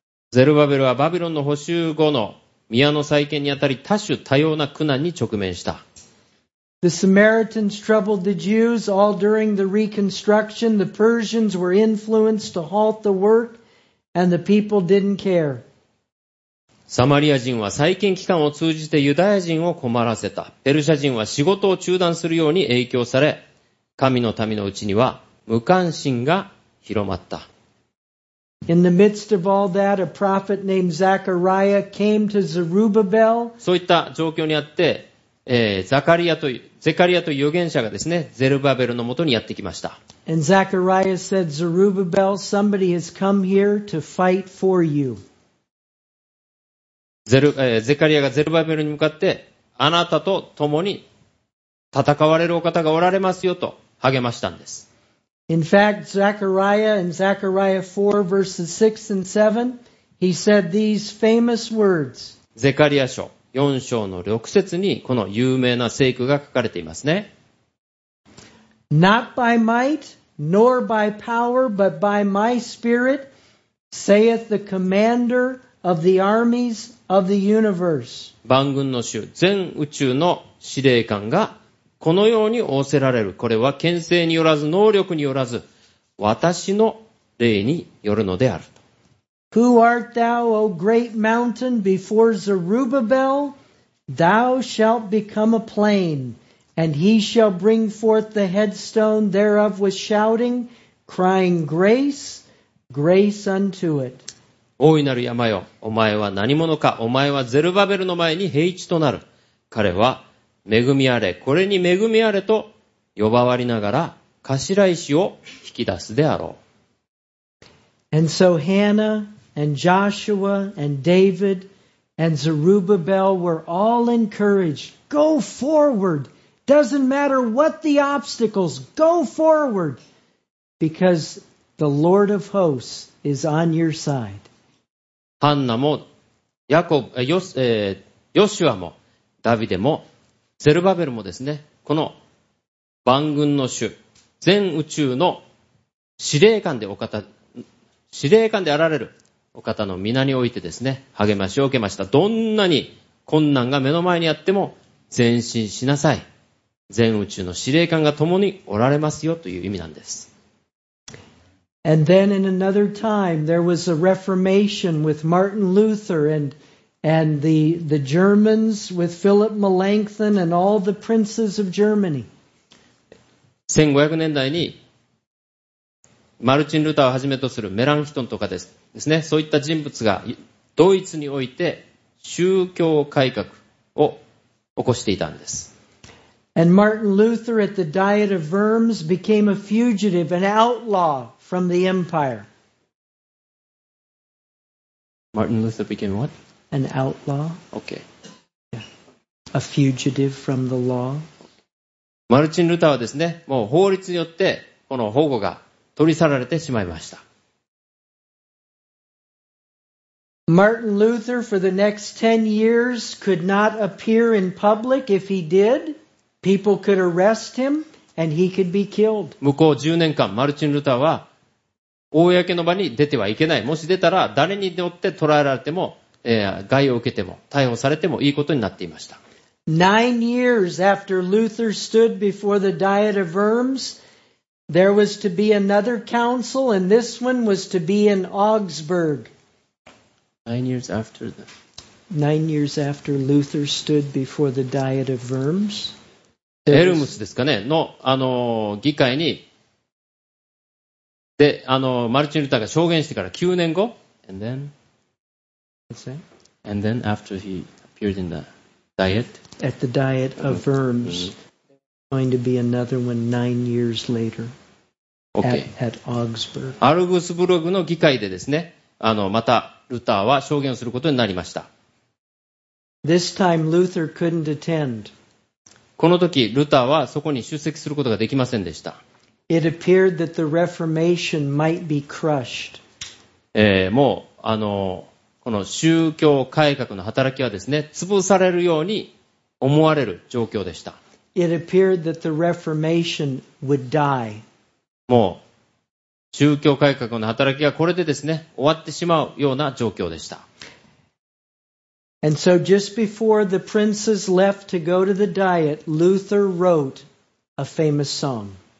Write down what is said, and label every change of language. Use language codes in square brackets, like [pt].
[ja] ゼルバベルはバビロンの捕囚後の宮の再建にあたり多種多様な苦難に直面した。 [en] The Samaritans troubled the Jews all during the reconstruction. The Persians were influenced to halt the work and the people didn't care. [ja] サマリア人は再建期間を通じてユダヤ人を困らせた。ペルシャ人は仕事を中断するように影響され、神の民のうちには無関心が広まった。 [en] In the midst of all that, a prophet named Zechariah came to Zerubbabel. [ja] そういった状況にあって、ゼカリアという預言者がですね、ゼルバベルのもとにやってきました。 [en] And Zechariah said, Zerubbabel, somebody has come here to fight for you. [ja] ゼカリアがゼルバベルに向かって、あなたと共に戦われるお方がおられますよと励ましたんです。 [en] In fact, Zechariah in Zechariah 4 verses 6 and 7, he said these famous words. [ja] ゼカリア書4章の6節にこの有名な聖句が書かれていますね。 [en] Not by might nor by power, but by my spirit, saith the commander of the armies of the universe. [ja] 万軍の主、全宇宙の司令官がこのように仰せられる。これは権勢によらず、能力によらず、私の霊によるのである。 [en] Who art thou, O great mountain, before Zerubbabel? Thou shalt become a plain, and he shall bring forth the headstone thereof with shouting, crying grace, grace unto it. [ja] 大いなる山よ、お前は何者か、お前はゼルバベルの前に平地となる。彼は恵みあれ、これに恵みあれと呼ばわりながら頭石を引き出すであろう。 [en] And so Hannah and Joshua and David and Zerubbabel were all encouraged. Go forward. Doesn't matter what the obstacles. Go forward. Because the Lord of hosts is on your side. [ja] ハンナもヤコブ、ヨシュアもダビデもゼルバベルもですね、この万軍の主、全宇宙の司令官でお方、司令官であられるお方の皆においてですね、励ましを受けました。どんなに困難が目の前にあっても前進しなさい、全宇宙の司令官が共におられますよという意味なんです。 [en] And then in another time there was a reformation with Martin Luther and the Germans with Philip Melanchthon and all the princes of Germany. [ja] 1500年代にマルチン・ルターをはじめとするメランヒトンとかですね、そういった人物がドイツにおいて宗教改革を起こしていたんです。 [en] And Martin Luther at the Diet of Worms became a fugitive, an outlaw from the empire. Martin Luther became what? An outlaw. Okay. A fugitive from the law. [ja] マルチン・ルターはですね、もう法律によってこの保護が取り去られてしまいました。 [en] Martin Luther for the next 10 years could not appear in public. If he did, people could arrest him and he could be killed. [ja] 向こう10年間マルチン・ルターは公の場に出てはいけない。もし出たら誰によって捕らえられても、害を受けても逮捕されてもいいことになっていました。 [en] 9 years after Luther stood before the Diet of Worms, there was to be another council and this one was to be in Augsburg. Nine years after Luther stood before the Diet of Worms. [ja] エルムスですかね、の、議会に、で、マルチン・ルターが証言してから9年後。 [en] And then after he appeared in the Diet. At the Diet of Worms. There's going to be another one 9 years later. At Augsburg. [ja] アルグスブルグの議会でですね、またルターは証言をすることになりました。 [en] This time Luther couldn't attend. [ja] この時ルターはそこに出席することができませんでした。 [en] It appeared that the Reformation might be crushed. [ja] もうこの宗教改革の働きはですね、潰されるように思われる状況でした。 [en] It appeared that the Reformation would die. [ja] もう宗教改革の働きがこれでですね、終わってしまうような状況でした。 [en] And so just before the princes left to go to the diet, Luther wrote a famous song.